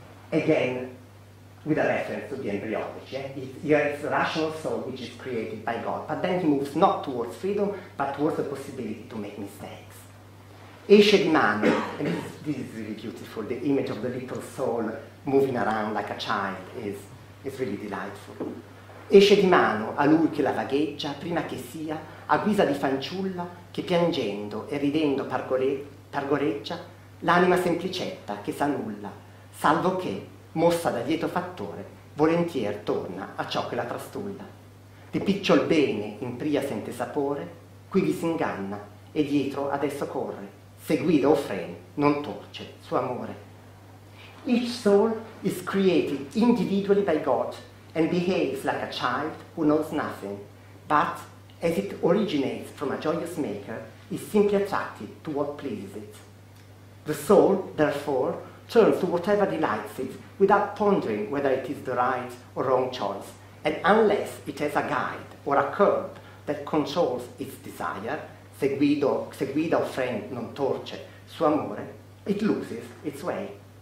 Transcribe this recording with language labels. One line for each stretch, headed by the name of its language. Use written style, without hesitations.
English: Again, with a reference to the embryology. Here it's the rational soul which is created by God, but then he moves not towards freedom, but towards the possibility to make mistakes.
Italian: Esce di mano,
English: and this is really beautiful, the image of the little soul moving around like a child is really delightful.
Italian: Esce di mano a lui che la vagheggia, prima che sia, a guisa di fanciulla che piangendo e ridendo pargoleggia l'anima semplicetta che sa nulla, salvo che, mossa da lieto fattore, volentier torna a ciò che la trastulla. Di picciol bene in pria sente sapore, qui vi si inganna e dietro adesso corre, seguire o freni, non torce suo amore.
English: Each soul is created individually by God and behaves like a child who knows nothing, but as it originates from a joyous maker, is simply attracted to what pleases it. The soul, therefore, turns to whatever delights it without pondering whether it is the right or wrong choice, and unless it has a guide or a curb that controls its desire,
Italian: seguida o friend non torce suo amore,
English: it loses its way.